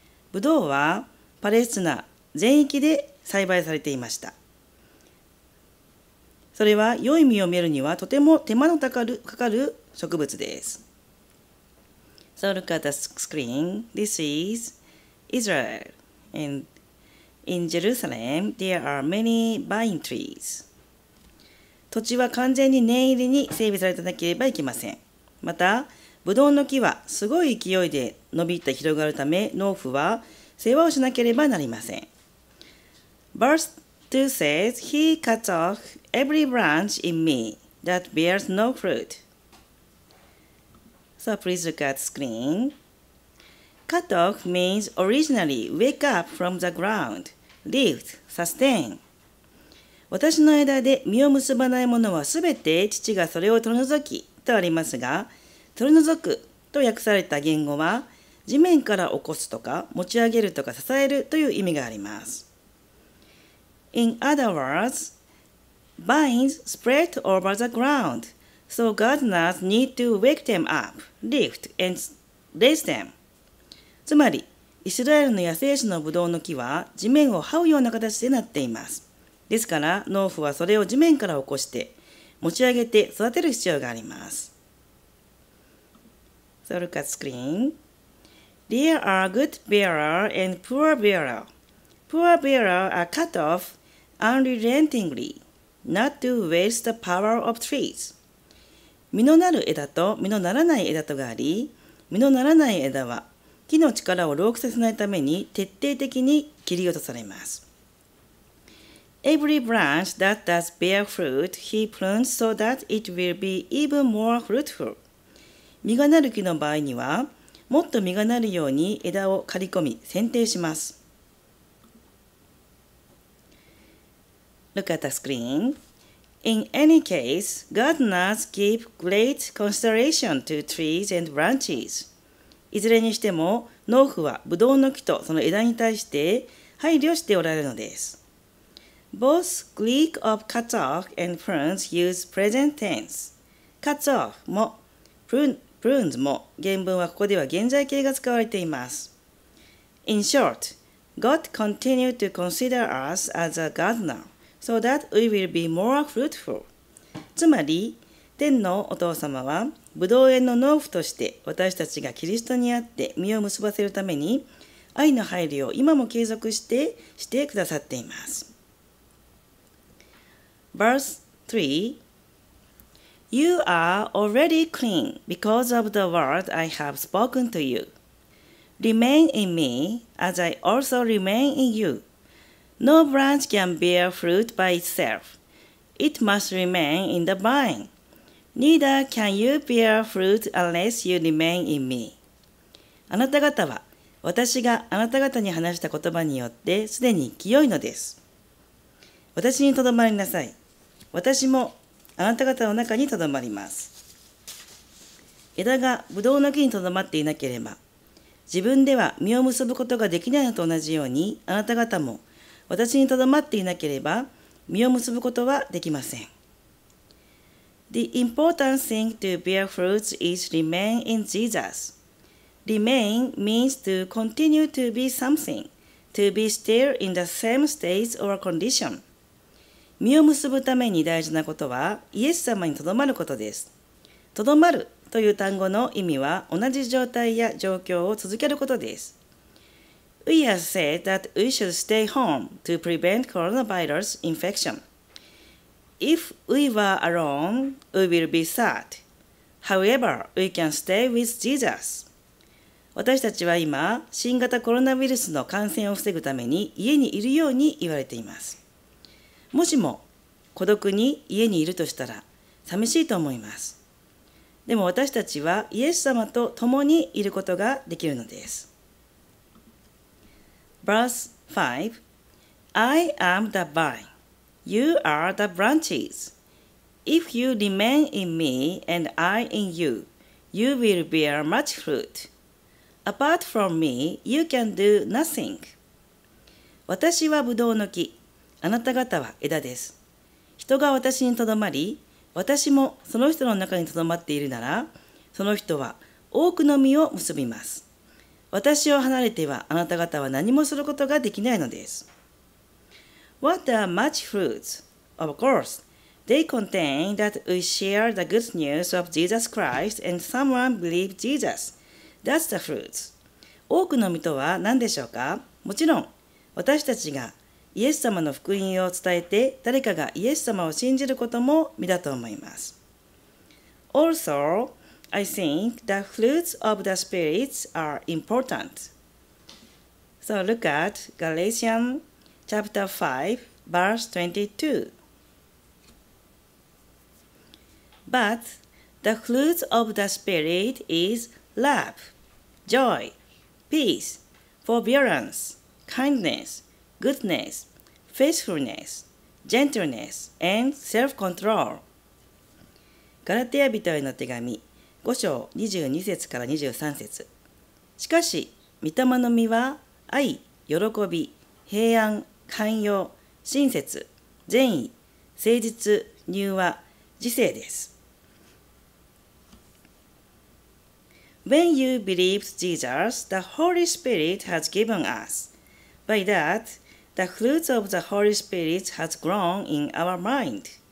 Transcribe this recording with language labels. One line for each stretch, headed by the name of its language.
Japanese: ブドウはパレスチナ全域で栽培されていました。それは良い実を見るにはとても手間のかかる植物です。
English: So look at the screen. This is Israel. And in Jerusalem, there are many vine trees.
Japanese: 土地は完全に念入りに整備されてなければいけません。また、ブドウの木はすごい勢いで伸びて広がるため、農夫は世話をしなければなりません。
English: Verse 2 says, He cuts off every branch in me that bears no fruit. So please look at the screen. Cut off means originally wake up from the ground, lift, sustain.
Japanese: 私の枝で実を結ばないものはすべて父がそれを取り除きとありますが、取り除くと訳された言語は、地面から起こすとか、持ち上げるとか、支えるという意味があります。
English: In other words, vines spread over the ground, so gardeners need to wake them up, lift and raise them.
Japanese: つまり、イスラエルの野生種のブドウの木は地面を這うような形でなっています。ですから農夫はそれを地面から起こして持ち上げて育てる必要があります。
English: So look at screen. There are good bearer and poor bearer. Poor bearer are cut off unrelentingly, not to waste the power of trees.
Japanese: 実のなる枝と実のならない枝とがあり、実のならない枝は木の力を老朽させないために徹底的に切り落とされます。
English: Every branch that does bear fruit, he prunes so that it will be even more fruitful.
Japanese: 実がなる木の場合には、もっと実がなるように枝を刈り込み、剪定します。
English: Look at the screen. In any case, gardeners give great consideration to trees and branches.
Japanese: いずれにしても農夫はブドウの木とその枝に対して配慮しておられるのです。
English: Both Greek of cut off and prunes use present tense. Cut off
Japanese: も prunes も原文はここでは現在形が使われています。
English: In short, God continued to consider us as a gardener so that we will be more fruitful.
Japanese: つまり天のお父様はブドウ園の農夫として私たちがキリストにあって実を結ばせるために愛の配慮を今も継続してしてくださっています。
English: Verse 3. You are already clean because of the word I have spoken to you. Remain in me as I also remain in you. No branch can bear fruit by itself. It must remain in the vine. Neither can you bear fruit unless you remain in me.
Japanese: あなた方は私があなた方に話した言葉によってすでに清いのです。私にとどまりなさい。私もあなた方の中にとどまります。枝がブドウの木にとどまっていなければ、自分では実を結ぶことができないのと同じように、あなた方も私にとどまっていなければ実を結ぶことはできません。
English: The important thing to bear fruit is remain in Jesus. Remain means to continue to be something, to be still in the same state or condition.
Japanese: 実を結ぶために大事なことはイエス様にとどまることです。とどまるという単語の意味は同じ状態や状況を続けることです。
English: We have said that we should stay home to prevent coronavirus infection. If we were alone, we will be sad. However, we can stay with Jesus.
Japanese: 私たちは今、新型コロナウイルスの感染を防ぐために家にいるように言われています。もしも孤独に家にいるとしたら、寂しいと思います。でも私たちはイエス様と共にいることができるのです。
English: Verse 5. I am the vine. You are the branches. If you remain in me and I in you, you will bear much fruit. Apart from me, you can do nothing.
Japanese: 私はブドウの木、あなた方は枝です。人が私にとどまり、私もその人の中にとどまっているなら、その人は多くの実を結びます。私を離れてはあなた方は何もすることができないのです。
English: What are much fruits? Of course, they contain that we share the good news of Jesus Christ and someone believes Jesus. That's the fruits.
Japanese: 多くの実とは何でしょうか？もちろん、私たちがイエス様の福音を伝えて誰かがイエス様を信じることも実だと思います。
English: Also, I think the fruits of the Spirit are important. So look at Galatians. Chapter 5, verse 22. But the fruit of the Spirit is love, joy, peace, forbearance, kindness, goodness, faithfulness, gentleness, and self-control.
Japanese: ガラテヤ人への手紙、5章22節から23節。しかし、御霊の実は愛、喜び、平安、寛容、親切、善意、誠実、柔和、自制です。
English: When you believed Jesus, the Holy Spirit has given us. By that, the fruits of the Holy Spirit has grown in our mind.